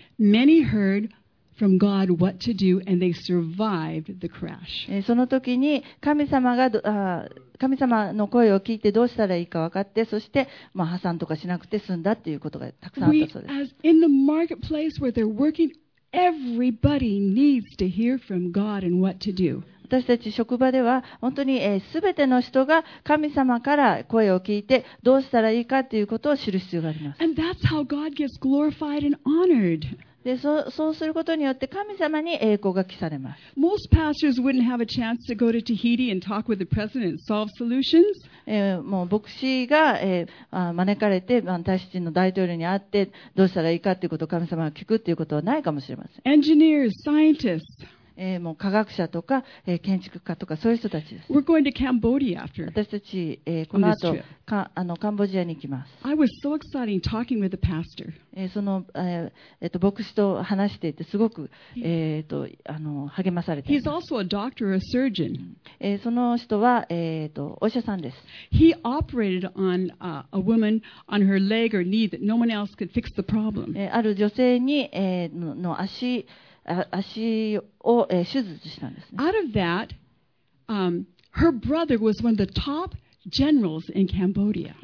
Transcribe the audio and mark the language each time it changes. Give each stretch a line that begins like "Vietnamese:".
English: many heard from God what to do and they survived the crash.
Japanese: その時に神様の声を聞いてどうしたらいいか分かって、そして、まあ、破産とかしなくて済んだっていうことがたくさんあったそうです。
English: We, as in the marketplace where they're working, everybody needs to hear from God and what to do.
Japanese: 私たち職場では本当に、全ての人が神様から声を聞いてどうしたらいいかということを知る必要があります。
English: And that's how God gets glorified and honored.
Japanese: で、そうすることによって神様に栄光が帰されます。
English: Most pastors wouldn't have a chance to go to Tahiti and talk with the president and solve solutions.
Japanese: もう牧師が、招かれて、大使の大統領に会ってどうしたらいいかということを神様が聞くということはないかもしれません。
English: Engineers, scientists.
Japanese: もう科学者とか、建築家とかそういう人たちです。
English: We're going to Cambodia after.
Japanese: 私たち、この後カンボジアに行きます。
English: I was so excited talking with the pastor.
Japanese: その、牧師と話していてすごく、励まされています。
English: He's also a doctor or a surgeon.
Japanese: その人は、お医者さんです。
English: He operated on a woman on her leg or knee that no one else could fix the problem.
Japanese: ある女性に、の足足を、手術したんですね。
English: Out of that, her brother was one of the top generals in Cambodia.